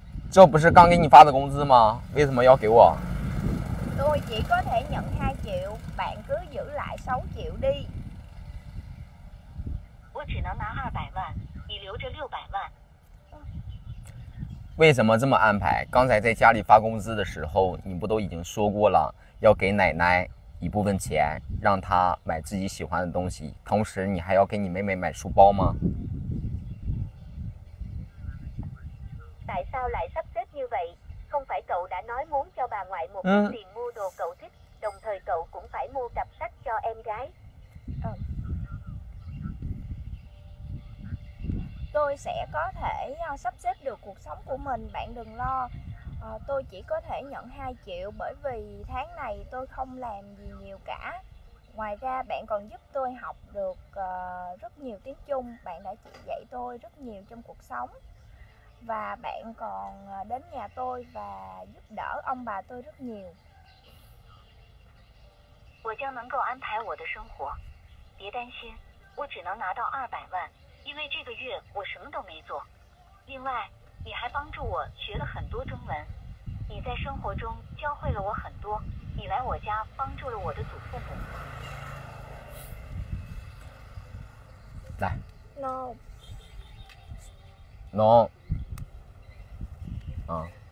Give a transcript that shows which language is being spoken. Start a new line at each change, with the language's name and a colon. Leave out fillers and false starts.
Chinese: 这不是刚给你发的工资吗？为什么要给我？
Vietnamese: tôi chỉ có thể nhận 2 triệu, bạn cứ giữ lại 6 triệu đi.
Chinese: 我只能拿200万，你留着600万。为什么这么安排？刚才在家里发工资的时候，你不都已经说过了，要给奶奶一部分钱让他买自己喜欢的东西，同时你还要给你妹妹买书包吗？
Vietnamese: tại sao lại sắp xếp như vậy? Không phải cậu đã nói muốn cho bà ngoại một ít tiền mua đồ cậu thích, đồng thời cậu cũng phải mua cặp sách cho em gái. Tôi sẽ có thể sắp xếp được cuộc sống của mình, bạn đừng lo. Tôi chỉ có thể nhận 2 triệu bởi vì tháng này tôi không làm gì nhiều cả. Ngoài ra bạn còn giúp tôi học được rất nhiều tiếng Trung. Bạn đã chỉ dạy tôi rất nhiều trong cuộc sống. Và bạn còn đến nhà tôi và giúp đỡ ông bà tôi rất nhiều. Tôi sẽ có thể sắp xếp cuộc sống của mình. Đừng lo lắng, tôi chỉ có thể nhận được 200 triệu. Bởi vì tháng này tôi không làm gì cả. Ngoài ra,
Chinese: 你还帮助我学了很多中文，你在生活中教会了我很多，你来我家帮助了我的祖父母。来。 No。 No。 啊。